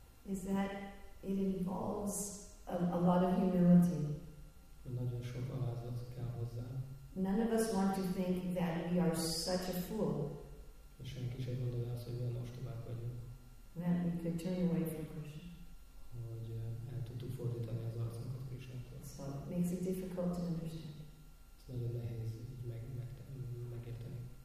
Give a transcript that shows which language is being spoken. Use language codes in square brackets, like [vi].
[en] is that it involves a lot of humility. [hu] Nagyon sok alázat kell hozzá. [en] None of us want to think that we are such a fool. [hu] Senki sem gondolja azt, hogy milyen ostobák vagyunk. [en] That we could turn away from Krishna. [hu] Hogy el tudtuk fordítani az arcunkat Krishnától. [en] So it makes it difficult to understand. [hu] Ez nagyon nehéz így megérteni.